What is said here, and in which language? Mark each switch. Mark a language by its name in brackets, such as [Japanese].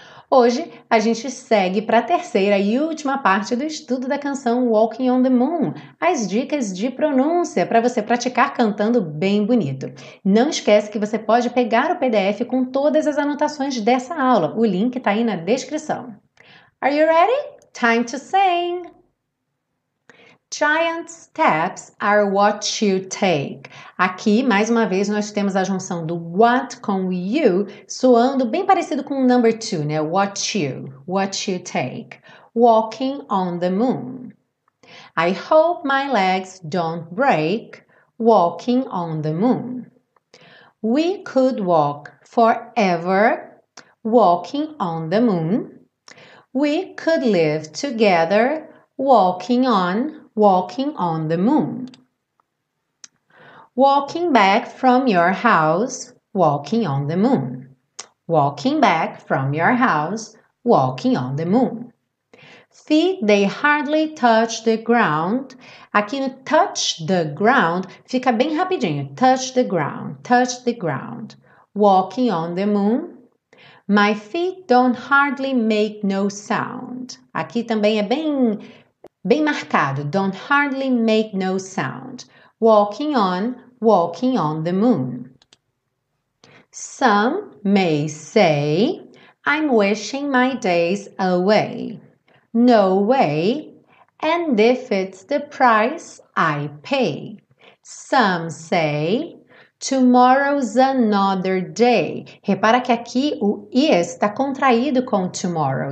[Portuguese] Hoje, a gente segue para a terceira e última parte do estudo da canção Walking on the Moon, as dicas de pronúncia para você praticar cantando bem bonito. Não esquece que você pode pegar o PDF com todas as anotações dessa aula. O link está aí na descrição. [English] Are you ready? Time to sing! Giant steps are what you take. [Portuguese] Aqui, mais uma vez, nós temos a junção do what com you, soando bem parecido com o number two, né? [English] What you take. Walking on the moon. I hope my legs don't break. Walking on the moon. We could walk forever. Walking on the moon. We could live together. Walking on the moon. Walking back from your house, walking on the moon. Walking back from your house, walking on the moon. Feet, they hardly touch the ground. [Portuguese] Aqui no [English] touch the ground, [Portuguese] fica bem rapidinho. [English] Touch the ground. Walking on the moon. My feet don't hardly make no sound. [Portuguese] Aqui também é bem marcado, [English] don't hardly make no sound. Walking on the moon. Some may say, I'm wishing my days away. No way, and if it's the price I pay. Some say, tomorrow's another day. [Portuguese] Repara que aqui o is está contraído com tomorrow.